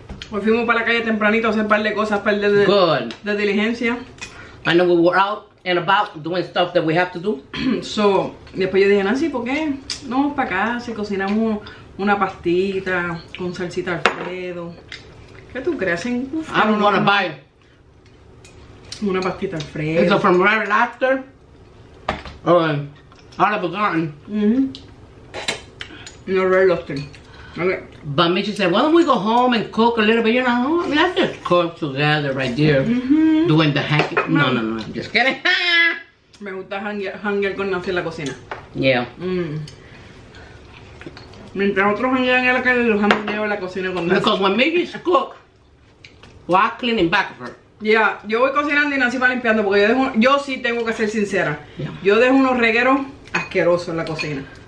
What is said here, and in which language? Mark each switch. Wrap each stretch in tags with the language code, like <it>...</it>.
<es>Pues fuimos para la calle tempranito a hacer un par de cosas, par de, de diligencia.</es> <en>I know we were out and about doing stuff that we have to do. So,</en> <es>después yo dije, Nancy, ¿por qué? No, para acá, si cocinamos una pastita con salsita Alfredo. ¿Qué tú crees?</es> <en>I don't want to buy</en> <es>una pastita Alfredo.</es> <en>It's from Red Lobster. Oh, out of the garden. No Red Lobster. Okay. But Michi said, why don't we go home and cook a little bit? You know, oh, let's just cook together right there. Doing the hang. No, I'm just kidding.</en> <es>Me gusta hangar con Nancy en la cocina.</es> <en>Yeah.</en> <es>Mientras otros hangar en la calle, los han venido a la cocina con Nancy.</es> <en>Because when Michi's cook, well, I clean in back of her. Yeah,</en> <es>yo voy cocinando y Nancy va limpiando, porque yo sí tengo que ser sincera. Yeah. Yo dejo unos regueros asquerosos en la cocina.</es>